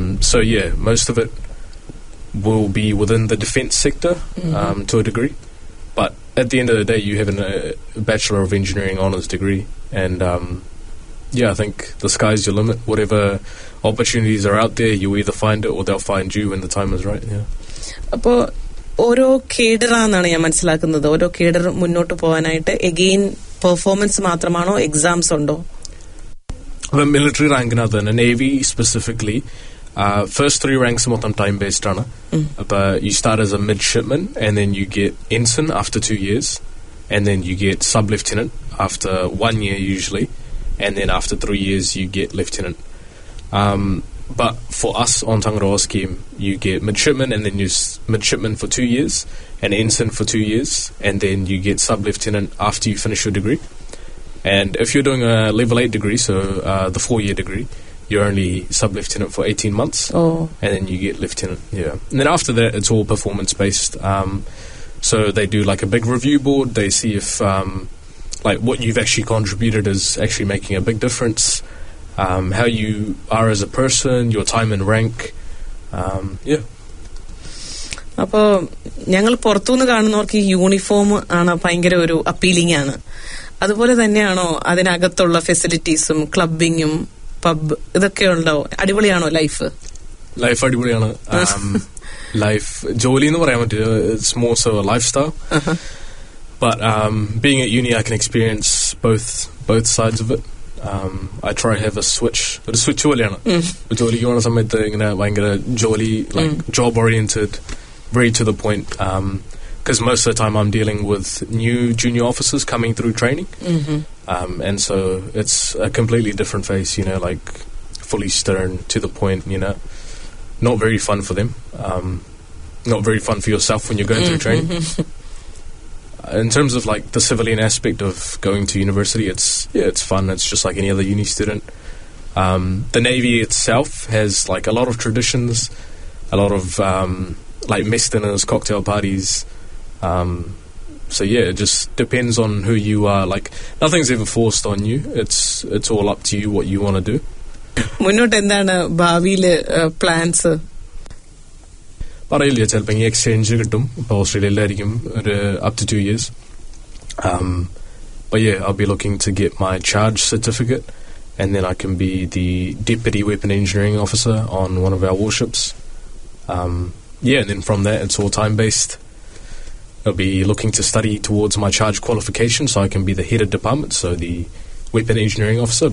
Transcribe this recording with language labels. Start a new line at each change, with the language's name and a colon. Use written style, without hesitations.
English: So yeah, most of it will be within the defense sector to a degree. But at the end of the day, you have a Bachelor of Engineering honors degree. And I think the sky's your limit. Whatever opportunities are out there, you either find it or they'll find you when the time is right. Yeah.
Malayalam: അപ്പോൾ ഓരോ കേഡറാണെന്നാണ് ഞാൻ മനസ്സിലാക്കുന്നത്. ഓരോ cadre മുന്നോട്ട് പോകാനായിട്ട് again performance മാത്രമാണോ exams ഉണ്ടോ? അപ്പൊ മിലിറ്ററി റാങ്കിനകത്ത് തന്നെ, നേവി സ്പെസിഫിക്കലി,
English: first 3 ranks
Malayalam: മൊത്തം ടൈം ബേസ്ഡ് ആണ്.
English: അപ്പൊ you start as a midshipman and then you get ensign after 2 years and then you get sub lieutenant after 1 year usually and then after 3 years you get lieutenant. But for us on Tangaroa scheme, you get midshipman and then you midshipman for 2 years and ensign for 2 years and then you get sub-lieutenant after you finish your degree. And if you're doing a level 8 degree, so the 4-year degree, you're only sub-lieutenant for 18 months and then you get lieutenant. Yeah. And then after that, it's all performance-based. So they do like a big review board. They see if like what you've actually contributed is actually making a big difference. How you are as a person, your time and rank.
Malayalam: അപ്പൊ ഞങ്ങൾ പുറത്തുനിന്ന് കാണുന്നവർക്ക് uniform ആണ് ഭയങ്കര ഒരു appealing ആണ്. അതുപോലെ തന്നെയാണോ അതിനകത്തുള്ള ഫെസിലിറ്റീസും ക്ലബിങ്ങും പബ് ഇതൊക്കെ ഉണ്ടോ? അടിപൊളിയാണോ ലൈഫ്? ലൈഫ് അടിപൊളിയാണ്. ലൈഫ് ജോലി എന്ന് പറയാൻ പറ്റില്ല,
English: It's more so a lifestyle. But being at uni, I can experience both sides of it. I try to have a switch. It's a switch
Malayalam: പോലെയാണ്. ജോലിക്ക് പോകുന്ന സമയത്ത് ഇങ്ങനെ ഭയങ്കര ജോലി,
English: Like job oriented, very to the point. Because most of the time I am dealing with new junior officers coming through training. And so it's a completely different phase, you know, like fully stern to the point, you know, not very fun for them, not very fun for yourself when you going through training. In terms of like the civilian aspect of going to university, it's fun. It's just like any other uni student. The Navy itself has like a lot of traditions, a lot of like mess dinners, cocktail parties. So yeah, it just depends on who you are. Like nothing's ever forced on you. It's all up to you what you want to do.
Malayalam: മുന്നോട്ട് എന്താണ് ഭാവിയിലെ plans? പറയില്ല, ചിലപ്പോൾ ഈ exchange കിട്ടും. ഇപ്പോൾ ഓസ്ട്രേലിയയിലായിരിക്കും ഒരു
English: Up to 2 years. But yeah, I'll be looking to get my charge certificate, and then I can be the deputy weapon engineering officer on one of our warships. Yeah, and then from that, it's all time-based. I'll be looking to study towards my charge qualification so I can be the head of department, so the weapon engineering officer.